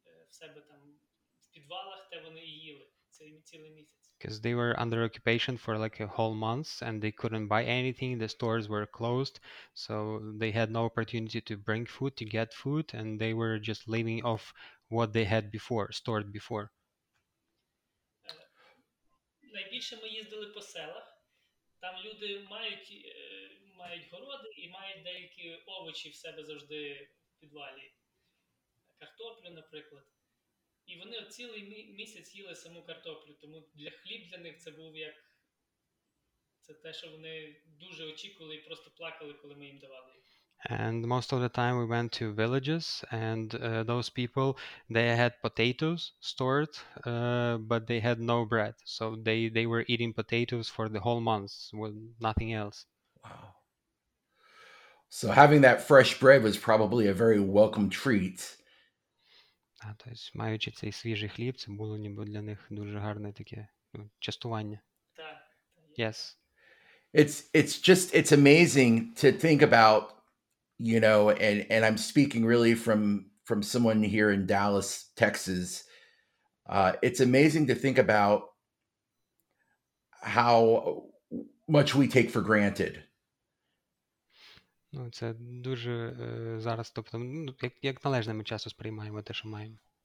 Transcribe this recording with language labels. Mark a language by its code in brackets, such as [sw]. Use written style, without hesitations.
[uk] себе там в підвалах, де вони їли цілий місяць. [en] Because they were under occupation for like a whole month and they couldn't buy anything, the stores were closed, so they had no opportunity to bring food, to get food, and they were just living off what they had before, stored before. [uk] Найбільше ми їздили по селах. Там люди мають городи і мають деякі овочі в себе завжди в підвалі. Картоплю, наприклад. І вони цілий місяць їли саму картоплю, тому для хліб для них це був як це те, що вони дуже очікували і просто плакали, коли ми їм давали. [en] And most of the time we went to villages and those people, they had potatoes stored, but they had no bread. So they were eating potatoes for the whole month with nothing else. Wow. So having that fresh bread was probably a very welcome treat. [uk] Тобто, маючи цей свіжий хліб, це було ніби для них дуже гарне таке частування. Так. [en] Yes. It's amazing to think about, you know, and I'm speaking really from someone here in Dallas, Texas. It's amazing to think about how much we take for granted. [uk] Ну, це дуже зараз, тобто, ну, як належне ми часто сприймаємо те, що маємо.